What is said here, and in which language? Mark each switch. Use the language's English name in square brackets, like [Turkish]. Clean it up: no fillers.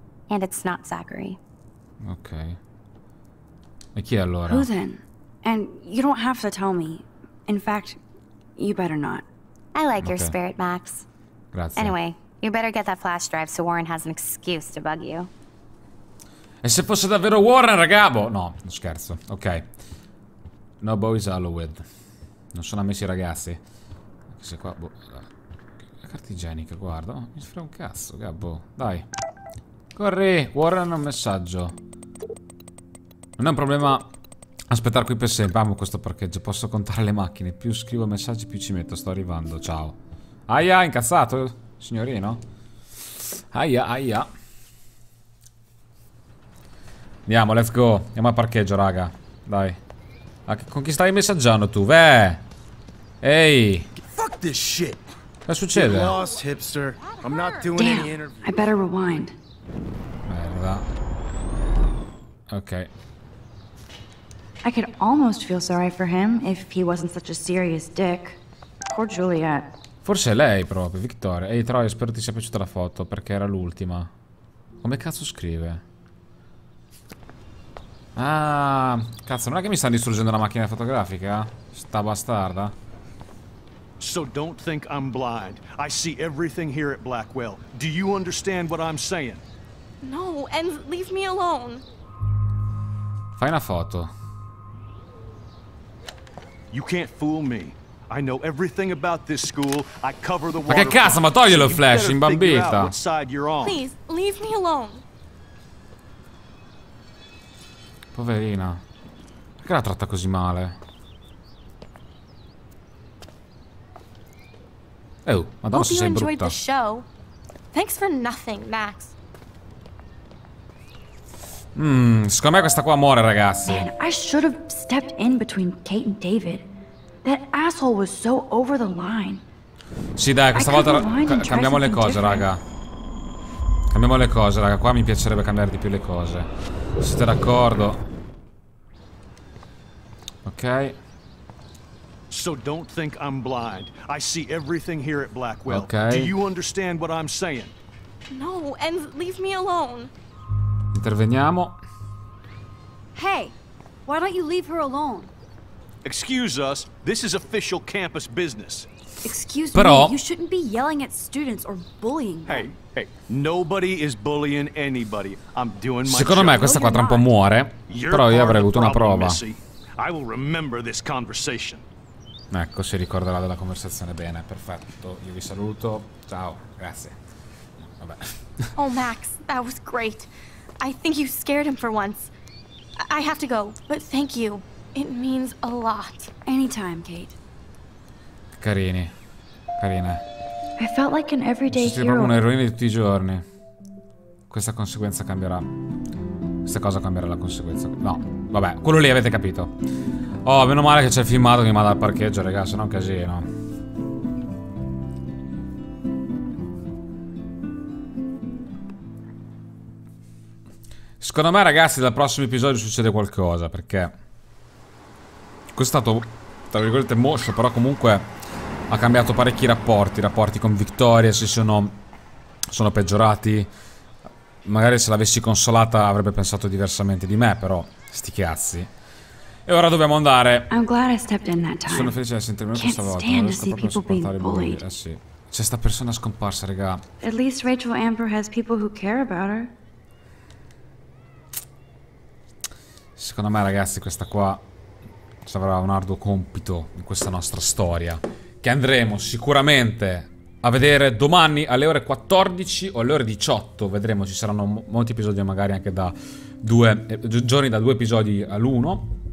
[English] And it's not Zachary. [Italian] Okay. E chi è allora? [English] Who then? And you don't have to tell me. In fact, you better not. I like your spirit, Max. [Italian] Grazie. [English] Anyway, you better get that flash drive so Warren has an excuse to bug you. [Italian] E se fosse davvero Warren, ragabo? No, non scherzo. Ok. [English] No boys allowed. [Italian] Non sono ammessi i ragazzi. Anche se qua... La carta igienica, guarda. Mi sfrega un cazzo, gabbo. Dai. Corri, Warren ha un messaggio. Non è un problema aspettare qui per sempre. Amo questo parcheggio. Posso contare le macchine. Più scrivo messaggi, più ci metto. Sto arrivando, ciao. Aia, incazzato, signorino. Aia, aia. Andiamo, [English] let's go. [Italian] Andiamo a parcheggio, raga. Dai. Ma con chi stai messaggiando tu? Beh. Ehi. [English] Fuck this shit. Che succede? Lost, hipster. I'm not doing any interview. I better rewind. [Italian] Merda. Ok. [English] I could almost feel sorry for him if he wasn't such a serious dick. Poor Juliet. [Italian] Forse è lei proprio, Victoria. Ehi, Troy, spero ti sia piaciuta la foto perché era l'ultima. Come cazzo scrive? Ah, cazzo, non è che mi stanno distruggendo la macchina fotografica? Sta bastarda. [English] So don't think I'm blind. I see everything here at Blackwell. Do you understand what I'm saying? No, and leave me alone. [Italian] Fai una foto. [English] You can't fool me. I know everything about this school. I cover the world. [Italian] Ma che cazzo, ma toglielo il flash, imbambita. [English] Please, leave me alone. [Italian] Poverina. Perché la tratta così male? Oh, madonna, se sei brutta. [English] Thanks for nothing, Max. [Italian] Secondo me questa qua muore, ragazzi. [English] Man, I should have stepped in between Kate and David. That asshole was so over the line. [Italian] Sì, dai, questa volta cambiamo le cose, raga. Cambiamo le cose, raga. Qua mi piacerebbe cambiare di più le cose. Siete d'accordo? Ok. [English] So don't think I'm blind. I see everything here at Blackwell. Okay. Do you understand what I'm saying? No, and leave me alone. [Italian] Interveniamo. [English] Hey, why don't you leave her alone? Excuse us, this is official campus business. Excuse [Italian] Però... [English] me, you shouldn't be yelling at students or bullying them. Hey, hey, nobody is bullying anybody. I'm doing my [Italian] Secondo [English] job. [Italian] Me questa qua tra un po' muore, [English] You're [Italian] però io avrei avuto una prova. [English] Missy. I will remember this conversation. [Italian] Ecco, si ricorderà della conversazione bene, perfetto. Io vi saluto. Ciao, grazie. Vabbè. [English] Oh, Max, that was great. I think you scared him for once. I have to go, but thank you. It means a lot. Anytime, Kate. [Italian] Carini. Carina. [English] I felt like an everyday hero. [Italian] Sei proprio un'eroina di tutti i giorni. Questa conseguenza cambierà. Questa cosa cambierà la conseguenza. No, vabbè, quello lì avete capito. Oh, meno male che c'è il filmato che mi manda al parcheggio, ragazzi, sennò è un casino. Secondo me, ragazzi, dal prossimo episodio succede qualcosa, perché questo è stato, tra virgolette, moscio, però comunque ha cambiato parecchi rapporti. I rapporti con Victoria si sono peggiorati. Magari se l'avessi consolata avrebbe pensato diversamente di me, però sti cazzi. E ora dobbiamo andare. [English] I'm glad I stepped in that time. [Italian] Sono felice di essere intervenuto [English] Can't [Italian] stavolta. Non riesco proprio a sopportare bulli. Sì. C'è sta persona scomparsa, raga. [English] At least Rachel Amber has people who care about her. [Italian] Secondo me, ragazzi, questa qua ci avrà un arduo compito in questa nostra storia, che andremo sicuramente a vedere domani alle ore 14 o alle ore 18. Vedremo, ci saranno molti episodi, magari anche da giorni da due episodi all'uno.